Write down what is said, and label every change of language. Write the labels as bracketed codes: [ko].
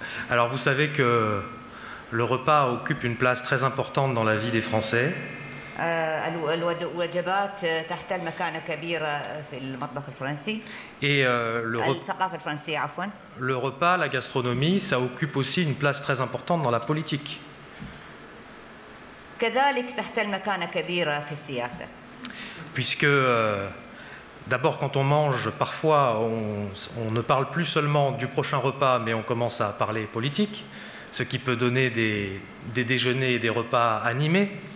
[fr] Alors, vous savez que le repas occupe une place très importante dans la vie des Français. [ar] الوجبات تحتل مكانة كبيرة في المطبخ الفرنسي. [fr] Et [ar] الثقافة الفرنسية عفوا. [fr] Le repas, la gastronomie, ça occupe aussi une place très importante dans la politique. [ar] كذلك تحتل مكانة كبيرة في السياسة. [fr] Puisque d'abord, quand on mange, parfois, on ne parle plus seulement du prochain repas, mais on commence à parler politique, ce qui peut donner des déjeuners et des repas animés.